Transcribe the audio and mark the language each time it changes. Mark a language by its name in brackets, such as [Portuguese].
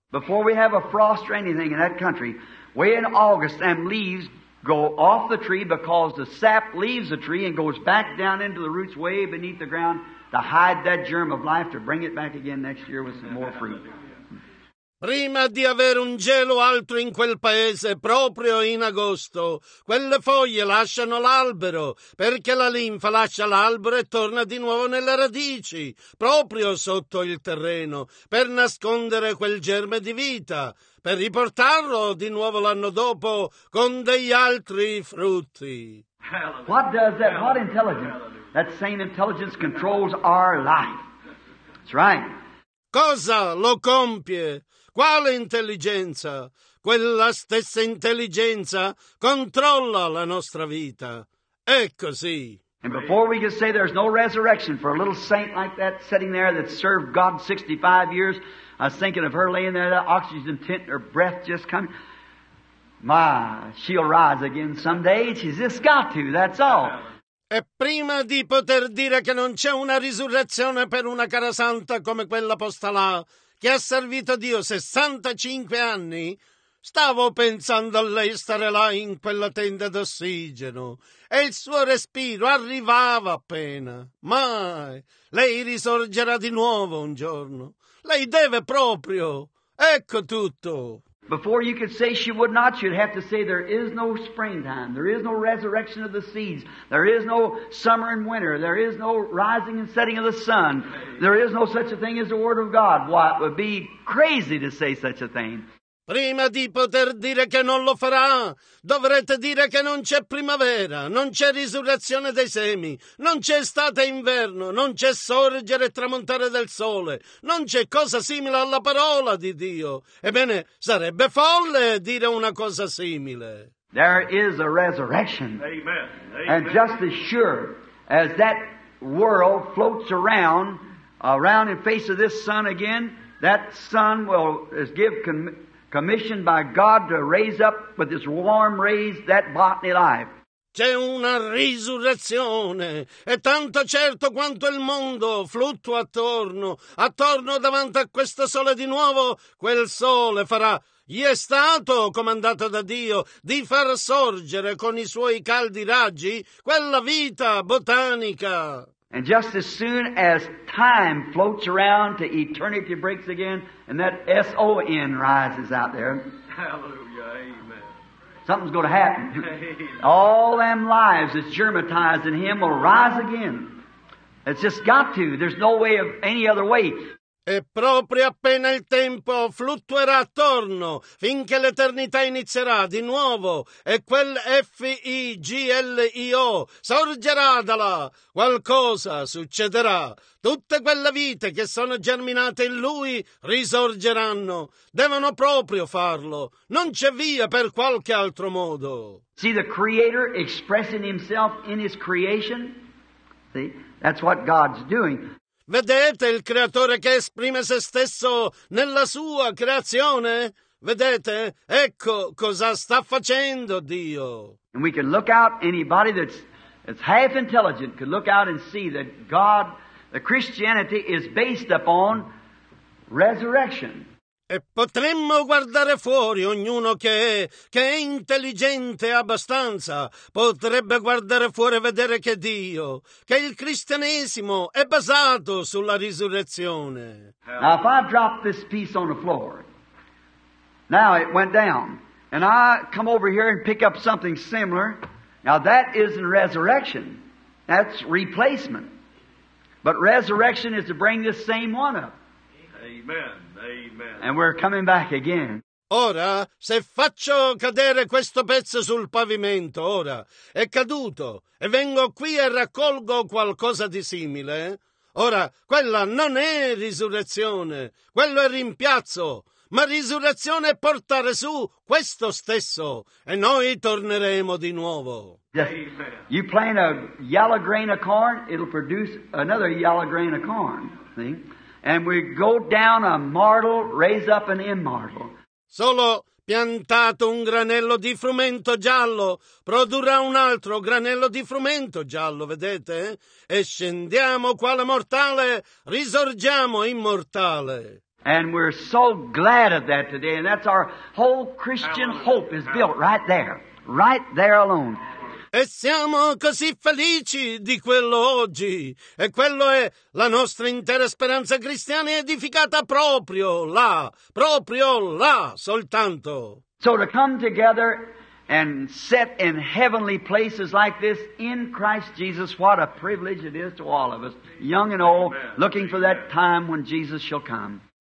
[English] Before we have a frost or anything in that country, way in August, them leaves go off the tree because the sap leaves the tree and goes back down into the roots way beneath the ground to hide that germ of life to bring it back again next year with some more fruit. [Italian] Prima di avere un gelo alto in quel paese, proprio in agosto, quelle foglie lasciano l'albero, perché la linfa lascia l'albero e torna di nuovo nelle radici, proprio sotto il terreno, per nascondere quel germe di vita, per riportarlo di nuovo l'anno dopo con degli altri frutti. [English] What does that, what intelligence? That same intelligence controls our life. That's right. [Italian] Cosa lo compie? Quale intelligenza? Quella stessa intelligenza controlla la nostra vita. È così. [English] And before we can say there's no resurrection for a little saint like that sitting there that served God 65 years, I was thinking of her laying there, that oxygen tent, her breath just coming. My, she'll rise again someday. She's just got to, that's all. [Italian] E prima di poter dire che non c'è una risurrezione per una cara santa come quella posta là, che ha servito Dio 65 anni, stavo pensando a lei stare là in quella tenda d'ossigeno e il suo respiro arrivava appena. Mai! Lei risorgerà di nuovo un giorno. Lei deve proprio. Ecco tutto. [English] Before you could say she would not, you'd have to say there is no springtime, there is no resurrection of the seeds, there is no summer and winter, there is no rising and setting of the sun, there is no such a thing as the Word of God. Why, it would be crazy to say such a thing. [Italian] Prima di poter dire che non lo farà, dovrete dire che non c'è primavera, non c'è risurrezione dei semi, non c'è estate e inverno, non c'è sorgere e tramontare del sole, non c'è cosa simile alla parola di Dio. Ebbene, sarebbe folle dire una cosa simile. [English] There is a resurrection. Amen. Amen. And just as sure as that world floats around, around in face of this sun again, that sun will give commissioned by God to raise up with His warm rays that botany life. [Italian] C'è una risurrezione, è tanto certo quanto il mondo flutto attorno davanti a questo sole di nuovo, quel sole farà. Gli è stato comandato da Dio di far sorgere con i suoi caldi raggi quella vita botanica. [English] And just as soon as time floats around to eternity breaks again, and that S-O-N rises out there. Hallelujah, amen. Something's going to happen. All them lives that's germatized in Him will rise again. It's just got to. There's no way of any other way. [Italian] E proprio appena il tempo fluttuerà attorno, finché l'eternità inizierà di nuovo, e quel F-I-G-L-I-O sorgerà da là, qualcosa succederà. Tutte quelle vite che sono germinate in Lui risorgeranno. Devono proprio farlo. Non c'è via per qualche altro modo. [English] See the Creator expressing Himself in His creation? See, that's what God's doing. [Italian] Vedete il Creatore che esprime se stesso nella sua creazione? Vedete? Ecco cosa sta facendo Dio. [English] And we can look out, anybody that's half intelligent can look out and see that God, the Christianity is based upon resurrection. [Italian] E potremmo guardare fuori, ognuno che è intelligente abbastanza, potrebbe guardare fuori e vedere che Dio, che il cristianesimo è basato sulla risurrezione. [English] Now if I drop this piece on the floor, now it went down, and I come over here and pick up something similar, now that isn't resurrection, that's replacement. But resurrection is to bring this same one up. Amen. Amen. And we're coming back again. [Italian] Ora, se faccio cadere questo pezzo sul pavimento, ora, è caduto, e vengo qui e raccolgo qualcosa di simile, ora, quella non è risurrezione, quello è rimpiazzo, ma risurrezione è portare su questo stesso, e noi torneremo di nuovo. [English] Amen. You plant a yellow grain of corn, it'll produce another yellow grain of corn, see? And we go down a mortal, raise up an immortal. [Italian] Solo piantato un granello di frumento giallo, produrrà un altro granello di frumento giallo, vedete? E scendiamo quale mortale, risorgiamo immortale. [English] And we're so glad of that today, and that's our whole Christian hope is built right there alone. [Italian] E siamo così felici di quello oggi. E quello è la nostra intera speranza cristiana edificata proprio là soltanto. [English] So to come together and sit in heavenly places like this in Christ Jesus, what a privilege it is to all of us, young and old, looking for that time when Jesus shall come.